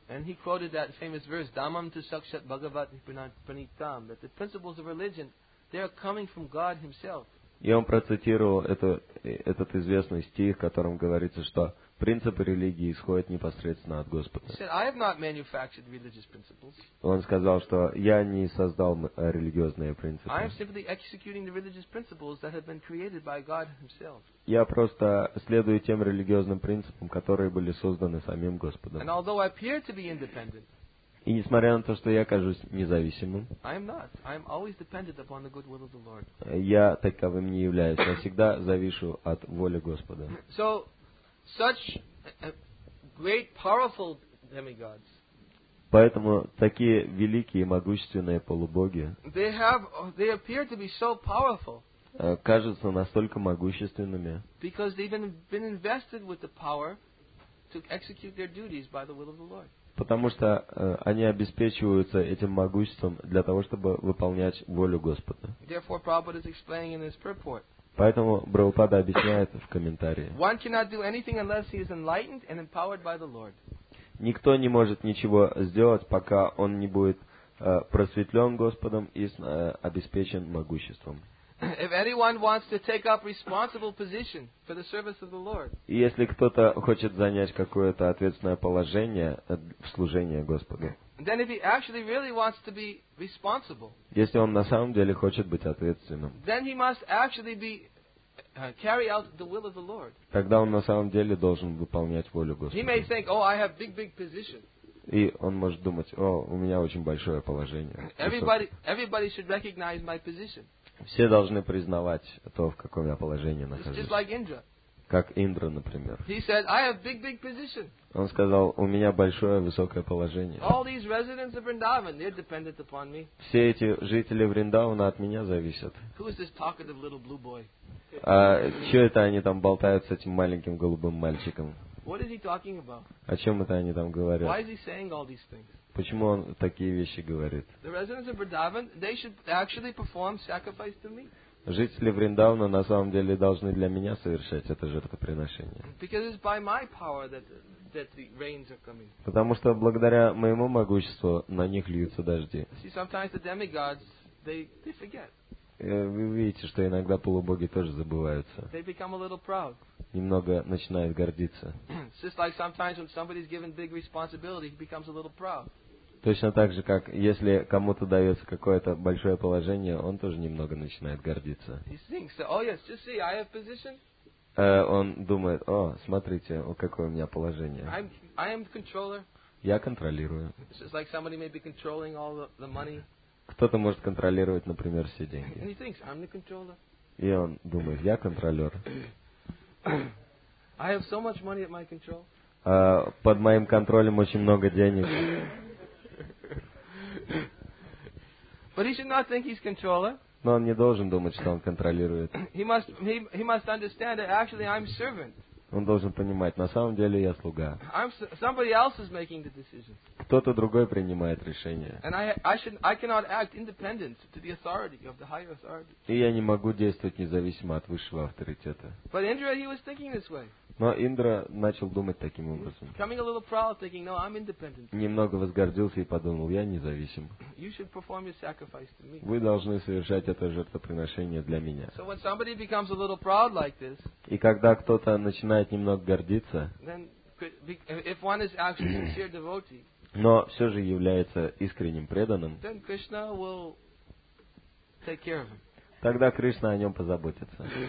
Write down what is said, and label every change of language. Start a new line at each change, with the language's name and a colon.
English: And he quoted that famous verse,
Sanskrit: Dhammam tu sakshat bhagavat pranitam,
English: that the principles of religion, they are coming from God himself.
Russian: И он процитировал этот известный стих, в котором говорится, что принципы религии исходят непосредственно от Господа.
English: He said, I have not manufactured religious principles.
Russian: Он сказал, что я не создал религиозные принципы.
English: I am simply executing the religious principles that have been created by God himself.
Russian: Я просто следую тем религиозным принципам, которые были созданы самим Господом.
English: And although I appear to be independent,
Russian: и несмотря на то, что я кажусь независимым,
English: I am not. I am always dependent upon the good will of the Lord.
Russian: Я таковым не являюсь. Я всегда завишу от воли Господа.
English: So, such great, powerful demigods.
Russian: Поэтому такие великие, могущественные полубоги.
English: They appear to be so powerful.
Russian: кажутся настолько могущественными.
English: Because they've been invested with the power to execute their duties by the will of the Lord.
Russian: Потому что они обеспечиваются этим могуществом для того, чтобы выполнять волю Господа.
English: Therefore, Prabhupada is explaining in his purport.
Russian: Поэтому Прабхупада объясняет в комментарии.
English: One cannot do anything unless he is enlightened and empowered by the Lord.
Russian: Никто не может ничего сделать, пока он не будет просветлен Господом и обеспечен могуществом.
English: If anyone wants to take up responsible position for the service of the Lord,
Russian: если кто-то хочет занять какое-то ответственное положение в служении Господу,
English: then if he actually really wants to be responsible,
Russian: если он на самом деле хочет быть ответственным,
English: then he must actually be carry out the will of the Lord.
Russian: Тогда он на самом деле должен выполнять волю Господа.
English: He may think, oh, I have big position.
Russian: И он может думать, о, у меня очень большое положение.
English: Everybody should recognize my position.
Russian: Все должны признавать то, в каком я положении нахожусь.
English: Like Indra.
Russian: Как Индра, например.
English: He said, I have big position.
Russian: Он сказал, у меня большое, высокое положение.
English: All these residents of Vrindavan, they're dependent upon me.
Russian: Все эти жители Вриндавана от меня зависят.
English: Who is this talkative little blue boy?
Russian: А что это они там болтают с этим маленьким голубым мальчиком?
English: What is he talking about?
Russian: О чем это они там говорят?
English: Why is he saying all these things?
Russian: Почему он такие вещи говорит?
English: The residents of Vrindavan, they should actually perform sacrifice to me.
Russian: Жители Вриндавана на самом деле должны для меня совершать это жертвоприношение.
English: Because it's by my power that the rains are coming.
Russian: Потому что благодаря моему могуществу на них льются дожди.
English: See, sometimes the demigods, they forget.
Russian: Вы видите, что иногда полубоги тоже забываются.
English: They become a little proud.
Russian: Немного начинают гордиться.
English: Just like sometimes when somebody's given big responsibility, he becomes a little proud.
Russian: Точно так же, как если кому-то дается какое-то большое положение, он тоже немного начинает гордиться.
English: He thinks, oh yes, just see, I have position.
Russian: Он думает, о, смотрите, какое у меня положение.
English: I am the controller.
Russian: Я контролирую.
English: Just like somebody may be controlling all the money.
Russian: Кто-то может контролировать, например, все деньги.
English: And he thinks, I'm the controller.
Russian: И он думает, я контролер.
English: I have so much money at my control.
Russian: Под моим контролем очень много денег.
English: But he should not think he's controller.
Russian: Но он не должен думать, что он контролирует.
English: He must understand that actually I'm servant.
Russian: Он должен понимать, на самом деле я слуга.
English: Somebody else is making the decisions.
Russian: Кто-то другой принимает решение.
English: And I cannot act independent to the authority of the higher authority.
Russian: И я не могу действовать независимо от высшего авторитета.
English: But Indra, he was thinking this way.
Russian: Но Индра начал думать таким образом.
English: Coming a little proud, thinking, no, I'm independent.
Russian: Немного возгордился и подумал, я независим.
English: You should perform your sacrifice to me.
Russian: Вы должны совершать это жертвоприношение для меня.
English: So when somebody becomes a little proud like this,
Russian: и когда кто-то начинает немного гордиться,
English: then if one is actually sincere devotee,
Russian: но все же является искренним преданным,
English: then Krishna will take care of him.
Russian: Тогда Кришна о нем позаботится.